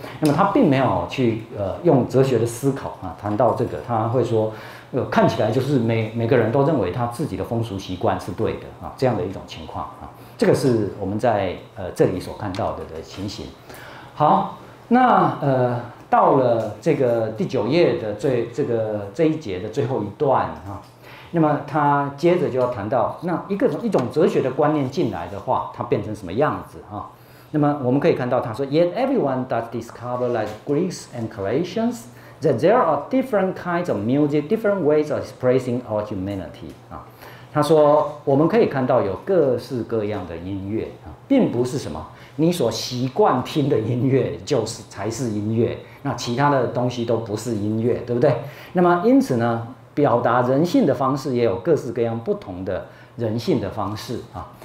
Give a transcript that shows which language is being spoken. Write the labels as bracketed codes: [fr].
[zh] 那么他并没有去用哲学的思考啊谈到这个，他会说看起来就是每个人都认为他自己的风俗习惯是对的啊，这样的一种情况啊，这个是我们在这里所看到的情形。好，那到了这个第九页的这一节的最后一段啊，那么他接着就要谈到那一种哲学的观念进来的话，它变成什么样子啊？那么我们可以看到他说 [en] ，Yet everyone does discover, like Greeks and Croatians, that there are different kinds of music, different ways of expressing our humanity 啊。 [zh] 他说我们可以看到有各式各样的音乐啊，并不是什么你所习惯听的音乐就是才是音乐，那其他的东西都不是音乐，对不对？那么因此呢，表达人性的方式也有各式各样不同的人性的方式啊。